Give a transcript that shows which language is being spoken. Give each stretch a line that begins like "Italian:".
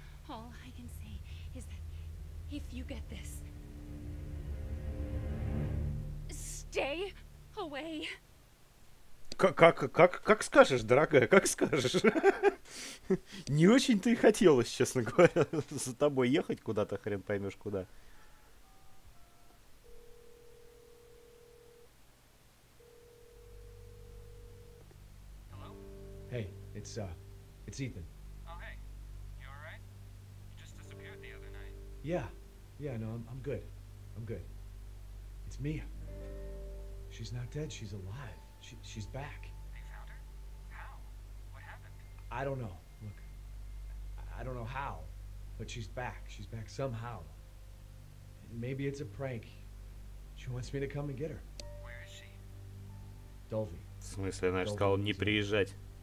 English: All I can say is that if you get this, stay away.
Russian: Как скажешь, дорогая, как скажешь. Не очень-то и хотелось, честно говоря, за тобой ехать куда-то, хрен поймешь куда.
English: Hey, it's Ethan. Oh, hey. You all right? You just disappeared the other night. Yeah. Yeah, no, I'm good. I'm good. It's Mia. She's not dead. She's alive. She's back. They found her? How? What happened? I don't know. Look, I don't know how, but she's back. She's back somehow. And maybe it's a prank. She wants me to come and get her. Where is she? Dolby.
Russian: В смысле, она же сказала не приезжать.